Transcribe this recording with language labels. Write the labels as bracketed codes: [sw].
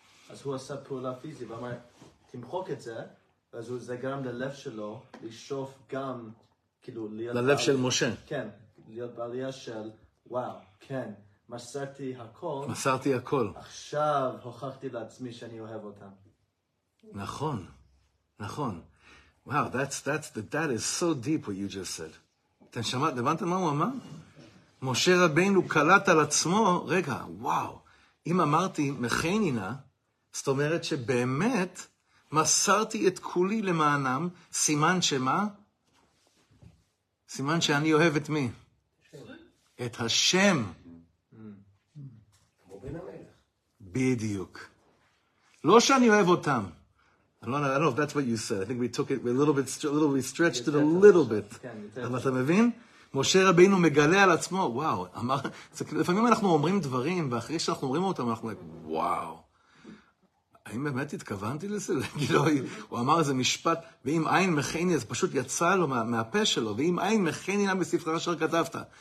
[he] אז הוא עשה פעולה פיזית ואמר, תמחוק את זה, אז זה גרם ללב שלו לשוף גם, כאילו, להיות... ללב של משה. כן, להיות בעלייה של, וואו, כן, מסרתי הכל. מסרתי הכל. עכשיו הוכחתי לעצמי שאני אוהב אותם. נכון, נכון. [en] וואו, that is so deep what you just said. [he] אתם שמעת, הבנת מה הוא אמר? משה רבינו קלט על עצמו, רגע, וואו, אם אמרתי מחנינה, זאת אומרת שבאמת... מסרתי את כולי למענם, סימן שמה? סימן שאני אוהב את מי? את השם. בדיוק. לא שאני אוהב אותם. [en] I don't know if that's what you said. I think we took it a little bit stretched. [he] אבל אתה מבין? משה רבינו מגלה על עצמו, וואו. לפעמים אנחנו אומרים דברים, ואחרי שאנחנו אומרים אותם, אנחנו אומרים, וואו. האם באמת התכוונתי לזה? הוא אמר איזה משפט, ואם עין מחני, אז פשוט יצא לו מהפה שלו, ואם עין מחני, נם בספרה אשר כתבת.